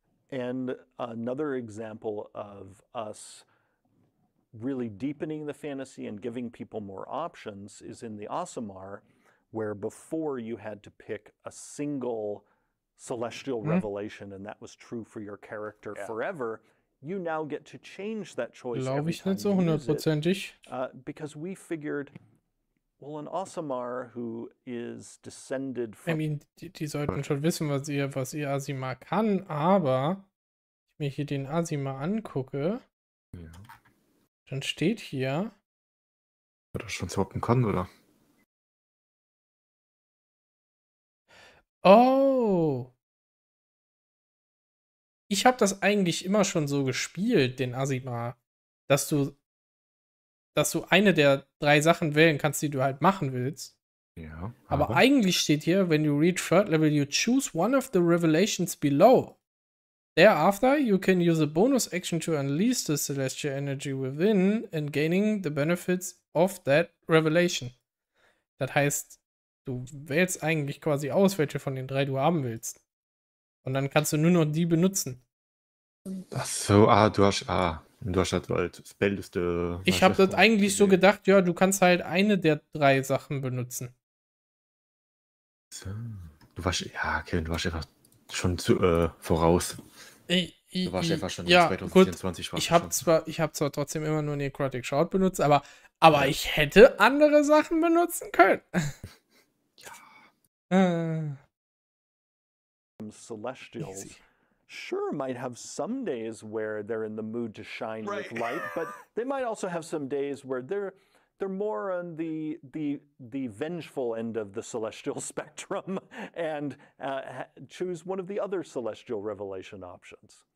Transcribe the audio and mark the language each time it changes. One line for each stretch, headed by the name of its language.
English: And another example of us really deepening the fantasy and giving people more options is in the Asimar, where before you had to pick a single celestial revelation, and that was true for your character forever. You now get to change that choice.
German: Glaube ich nicht so hundertprozentig.
English: Because we figured, well, an Asimar who is descended from... I mean,
German: die sollten schon wissen, was ihr Asimar kann, aber ich mir hier den Asimar angucke. Ja. Dann steht hier... Hat er schon swappen können, oder? Oh! Ich habe das eigentlich immer schon so gespielt, den Asimar, dass du eine der drei Sachen wählen kannst, die du halt machen willst. Ja. Aber eigentlich steht hier,
English: when you reach third level, you choose one of the revelations below. Thereafter, you can use a bonus action to unleash the celestial energy within and gaining the benefits of that revelation.
German: Das heißt, du wählst eigentlich quasi aus, welche von den drei du haben willst. Und dann kannst du nur noch die benutzen. Ach so, du hast halt halt Spellliste. Ich habe das eigentlich so gedacht, ja, du kannst halt eine der drei Sachen benutzen. So. Du warst, ja, Kevin, du warst einfach schon zu voraus. Du warst einfach schon ja, 2024 gut. Ich habe zwar trotzdem immer nur Necrotic Shroud benutzt, aber ich hätte andere Sachen benutzen können. Ja.
English: Celestials sure might have some days where they're in the mood to shine with light, but they might also have some days where they're more on the vengeful end of the celestial spectrum and choose one of the other celestial revelation options.